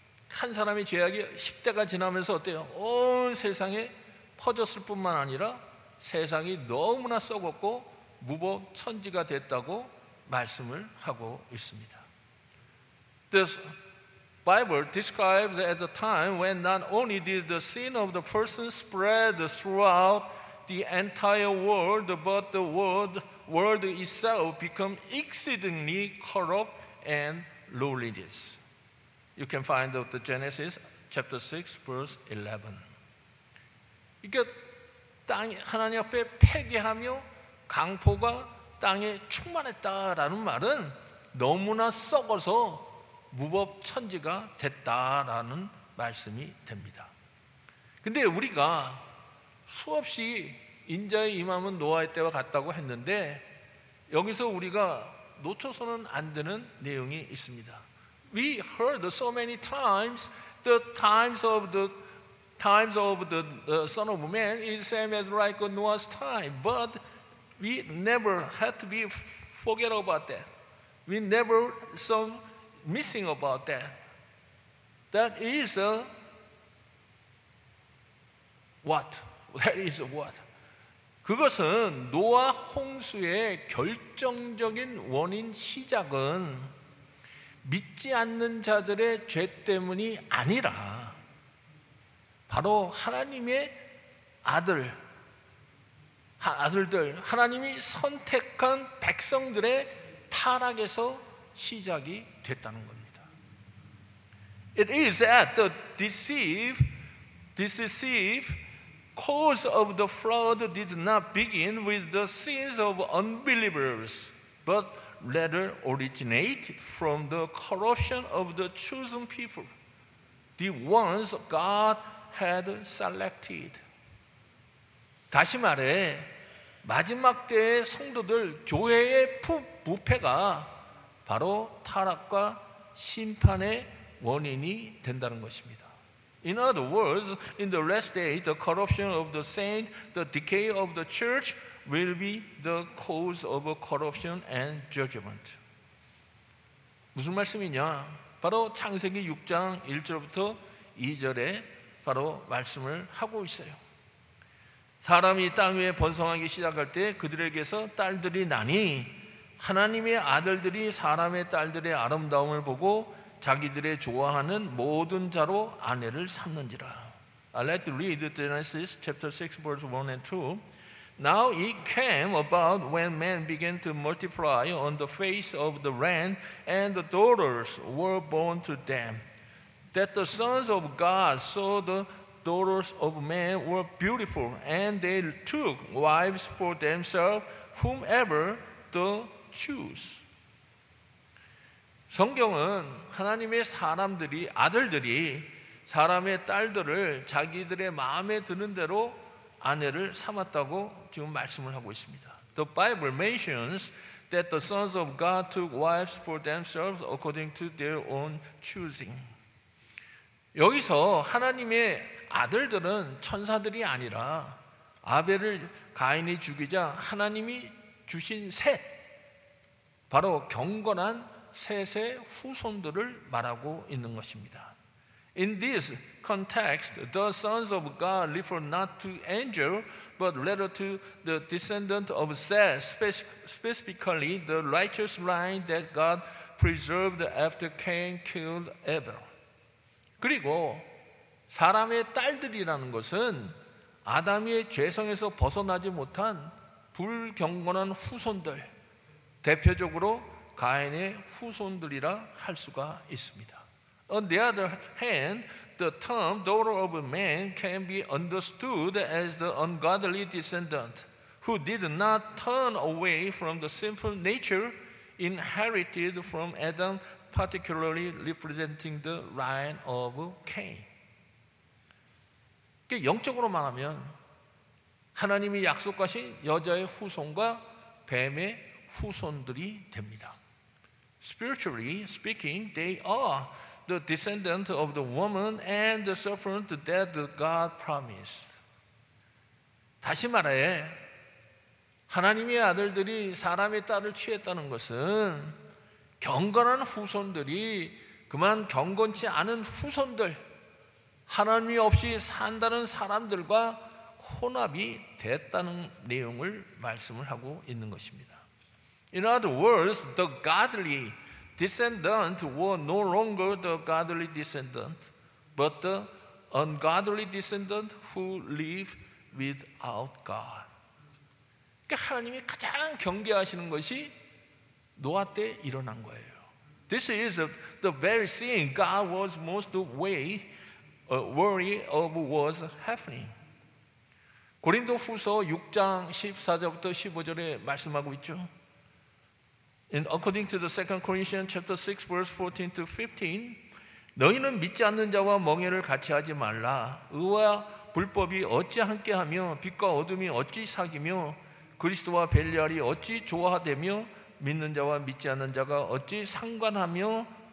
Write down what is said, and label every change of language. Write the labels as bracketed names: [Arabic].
[Korean] 한 사람의 죄악이 10대가 지나면서 어때요? 온 세상에 퍼졌을 뿐만 아니라 세상이 너무나 썩었고 무법 천지가 됐다고 말씀을 하고 있습니다. [English] This Bible describes at the time when not only did the sin of the person spread throughout the entire world, but the world itself become exceedingly corrupt and lowliness. You can find out the Genesis chapter 6 verse 11. [Korean] 이게 땅이 하나님 앞에 패기하며 강포가 땅에 충만했다라는 말은 너무나 썩어서 무법 천지가 됐다라는 말씀이 됩니다. 근데 우리가 수없이 인자의 임함은 노아의 때와 같다고 했는데 여기서 우리가 놓쳐서는 안 되는 내용이 있습니다. [English] We heard so many times the times of the Son of Man is same as like Noah's time, but we never had to be forget about that. We never some missing about that. That is a what? That is a what? [Korean] 그것은 노아 홍수의 결정적인 원인 시작은 믿지 않는 자들의 죄 때문이 아니라 바로 하나님의 아들들, 하나님이 선택한 백성들의 타락에서 시작이 됐다는 겁니다. [English] It is that the deceive cause of the flood did not begin with the sins of unbelievers, but rather originated from the corruption of the chosen people, the ones God had selected. [Korean] 다시 말해, 마지막 때의 성도들, 교회의 부패가 바로 타락과 심판의 원인이 된다는 것입니다. [English] In other words, in the last day, the corruption of the saint, the decay of the church will be the cause of corruption and judgment. [Korean] 무슨 말씀이냐? 바로 창세기 6장 1절부터 2절에 바로 말씀을 하고 있어요. 사람이 땅 위에 번성하기 시작할 때 그들에게서 딸들이 나니 하나님의 아들들이 사람의 딸들의 아름다움을 보고 자기들의 좋아하는 모든 자로 아내를 삼는지라. [English] I let you read Genesis chapter 6 verse 1 and 2. Now it came about when men began to multiply on the face of the land and the daughters were born to them, that the sons of God saw the daughters of men were beautiful, and they took wives for themselves, whomever the choose. [Korean] 성경은 하나님의 사람들이, 아들들이 사람의 딸들을 자기들의 마음에 드는 대로 아내를 삼았다고 지금 말씀을 하고 있습니다. [English] The Bible mentions that the sons of God took wives for themselves according to their own choosing. [Korean] 여기서 하나님의 아들들은 천사들이 아니라 아벨을 가인이 죽이자 하나님이 주신 셋, 바로 경건한 셋의 후손들을 말하고 있는 것입니다. [English] In this context, the sons of God refer not to angel, but rather to the descendant of Seth, specifically the righteous line that God preserved after Cain killed Abel. [Korean] 그리고 사람의 딸들이라는 것은 아담의 죄성에서 벗어나지 못한 불경건한 후손들, 대표적으로 가인의 후손들이라 할 수가 있습니다. [English] On the other hand, the term daughter of man can be understood as the ungodly descendant who did not turn away from the sinful nature inherited from Adam, particularly representing the line of Cain. [Korean] 영적으로 말하면 하나님이 약속하신 여자의 후손과 뱀의 후손들이 됩니다. [English] Spiritually speaking, they are the descendant of the woman and the serpent that God promised. [Korean] 다시 말해 하나님의 아들들이 사람의 딸을 취했다는 것은 경건한 후손들이 그만 경건치 않은 후손들, 하나님 없이 산다는 사람들과 혼합이 됐다는 내용을 말씀을 하고 있는 것입니다. [English] In other words, the godly descendant were no longer the godly descendant, but the ungodly descendant who live without God. [Korean] 그러니까 하나님이 가장 경계하시는 것이 노아 때 일어난 거예요. [English] This is the very thing God was most worried of was happening. [Korean] 고린도 후서 6장 14절부터 15절에 말씀하고 있죠. [English] And according to the 2 Corinthians chapter 6 verse 14 to 15, [Korean] 너희는 믿지 않는 자와 멍에를 같이 하지 말라. 의와 불법이 어찌 함께하며 빛과 어둠이 어찌 사귀며 그리스도와 벨리알이 어찌 조화되며 믿는 자와 믿지 않는 자가 어찌 상관하며.